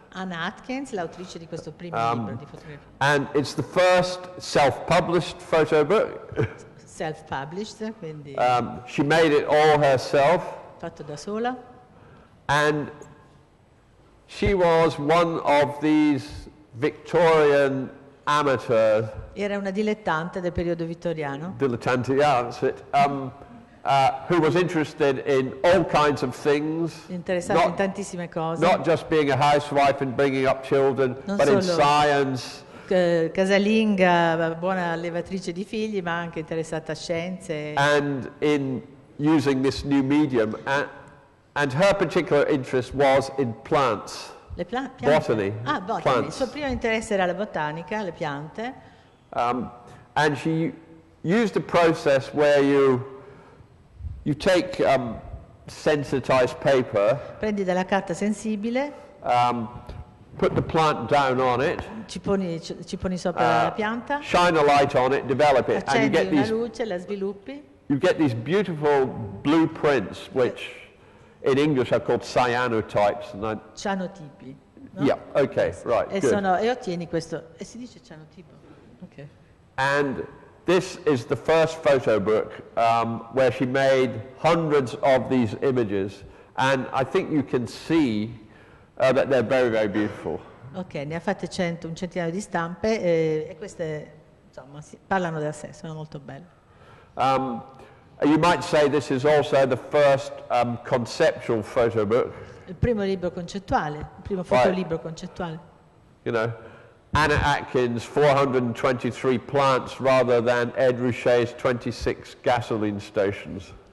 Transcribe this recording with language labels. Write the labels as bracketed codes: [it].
[it] Anna Atkins, l'autrice di questo primo libro di fotografie. [en] And it's the first self-published photo book. [it] Self-published, quindi. [en] She made it all herself. [it] Fatto da sola. [en] And she was one of these Victorian amateurs. [it] Era una dilettante del periodo vittoriano. [en] Dilettante, yeah, that's it. Who was interested in all kinds of things, [it] interessata in tantissime cose, [en] not just being a housewife and bringing up children, [it] non [en] but [it] solo [en] in science. [it] Casalinga, buona allevatrice di figli, ma anche interessata a scienze. [en] And in using this new medium, and her particular interest was in plants, botany. Ah, botany. Plants. [it] Il suo primo interesse era la botanica, le piante. [en] And she used a process where you take sensitized paper. [it] Prendi della carta sensibile. [en] Put the plant down on it. [it] Ci poni sopra la pianta. [en] Shine a light on it, develop it, and you get these. [it] Accendi una luce, la sviluppi. [en] You get these beautiful blueprints, which in English are called cyanotypes. [it] Cyanotipi. No? [en] Yeah. Okay. Right. [it] E [en] good. [it] Sono, e ottieni questo. E si dice cyanotipo. Okay. [en] And this is the first photo book where she made hundreds of these images, and I think you can see that they're very, very beautiful. [it] Okay, ne ha fatte un centinaio di stampe, e queste, insomma, parlano da sé, sono molto belle. [en] You might say this is also the first conceptual photo book. [it] Il primo libro concettuale, il primo fotolibro concettuale. [en] You know, Anna Atkins, 423 plants rather than Ed Ruscha's 26 gasoline stations.